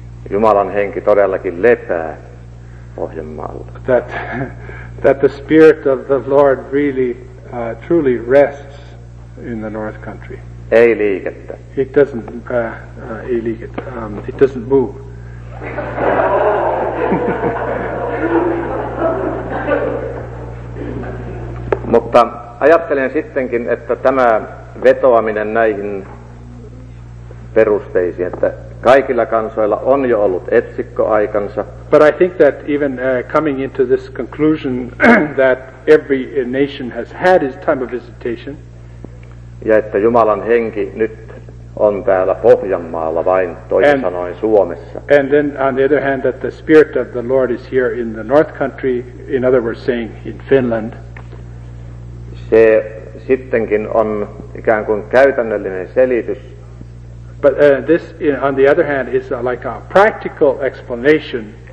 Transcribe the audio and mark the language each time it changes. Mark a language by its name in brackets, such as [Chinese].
[Finnish] Jumalan henki todellakin lepää Pohjanmaalla. [English] That the spirit of the Lord really truly rests in the North Country. [Finnish] Ei liikettä. [English] It doesn't [Finnish] ei liikettä. [English] It doesn't move. [Finnish] Mutta ajattelen sittenkin, että tämä vetoaminen näihin perusteisiin, että kaikilla kansoilla on jo ollut etsikkoaikansa. [English] But I think that even coming into this conclusion that every nation has had his time of visitation. [Finnish] Ja että Jumalan henki nyt on täällä Pohjanmaalla vain toisin sanoen Suomessa. [English] And then on the other hand that the spirit of the Lord is here in the North Country, in other words saying in Finland. [Finnish] Se sittenkin on ikään kuin käytännöllinen selitys. [English] But this, on the other hand, is like a practical explanation.